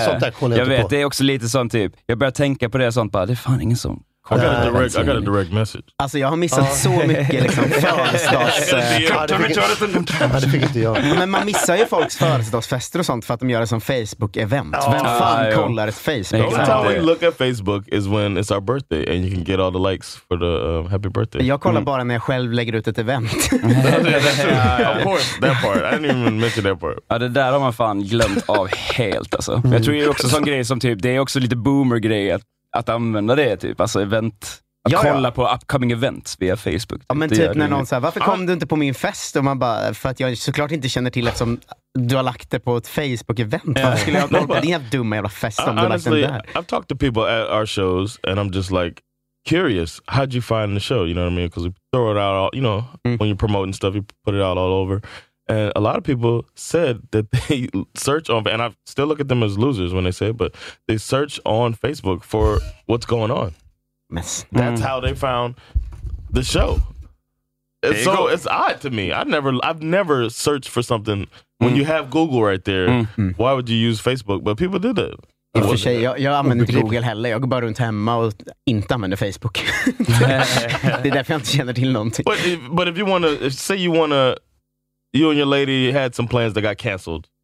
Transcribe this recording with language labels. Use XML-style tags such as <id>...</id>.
<sv>Sånt där jag vet, det är också lite sånt typ. Jag börjar tänka på det sånt. Bara, det är fan ingen sån.</sv> <en>I got a direct message.</en> <sv>Alltså jag har missat så mycket liksom födelsedagsfester. Men man missar ju folks födelsedagsfester och sånt för att de gör det som Facebook event. Vem fan kollar ett Facebook?</sv> <en>The only time we look at Facebook is when it's our birthday and you can get all the likes for the happy birthday.</en> <sv>Jag kollar bara när jag själv lägger ut ett event.</sv> <en>Of course, that part. I didn't even mention that part.</en> <sv>Ja, det där har man fan glömt av helt alltså. Jag tror ju också sån grej som typ, det är också lite boomer grej att använda det typ, alltså event, att kolla på</sv> <en>upcoming events</en> <sv>via Facebook. Ja, men typ när någon säger, varför kom du inte på min fest? Och man bara, för att jag såklart inte känner till eftersom du har lagt det på ett Facebook-event.</sv> <en>Yeah.</en> <sv>Varför skulle jag ha på din jävla dumma jävla fest om</sv> <en>honestly,</en> <sv>du har lagt den där?</sv> <en>I've talked to people at our shows and I'm just like curious, how'd you find the show? You know what I mean? Because we throw it out, all, you know, when you're promoting stuff, you put it out all over. And a lot of people said that they search on, and I still look at them as losers when they say it, but they search on Facebook for what's going on. That's how they found the show. And so it's odd to me. I've never searched for something. When you have Google right there, why would you use Facebook? But people did it.</en> <sv>I och för sig, jag använder inte Google heller. Jag går bara runt hemma och inte använder Facebook. Det är därför jag inte känner till någonting.</sv> <en>But if you want to, say you want to, you and your lady had some plans that got canceled.</en>